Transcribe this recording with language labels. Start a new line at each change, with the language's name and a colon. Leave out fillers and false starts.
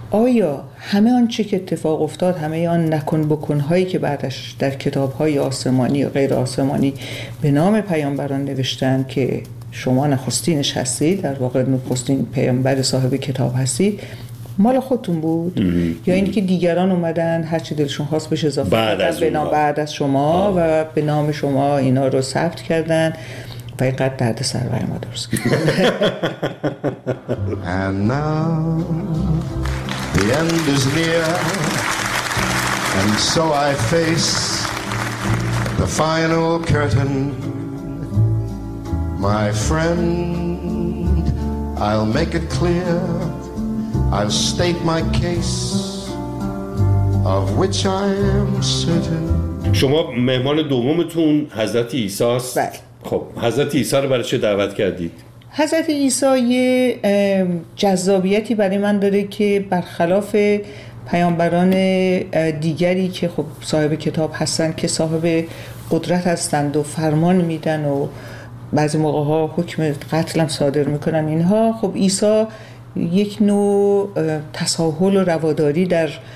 Persian: آیا همه آن چی که اتفاق افتاد، همه آن نکن بکنهایی که بعدش در کتابهای آسمانی و غیر آسمانی به نام پیامبران نوشتن که شما نخستینش هستید، در واقع نخستین پیامبر صاحب کتاب هستید، مال خودتون بود یا این که دیگران اومدن هر چی دلشون خواست بشه اضافه کردن به نام بعد از شما و به نام شما اینا رو ثبت کردن و اینقدر درد سر برای ما درست کردن.
English: And now the end is near and so I face the final curtain. My friend, I'll make it clear, I'll state my case, of which I am certain.
Persian: شما مهمان دومتون حضرت عیسی است. بله. خب حضرت عیسی رو برای چه دعوت کردید؟ حضرت عیسی یه جذابیتی برای من داره که برخلاف پیامبران دیگری که خب صاحب کتاب هستن که صاحب قدرت هستند و فرمان میدن و بعضی موقع ها حکم قتل هم صادر میکنن اینها، خب عیسی یک نوع تساهل و رواداری در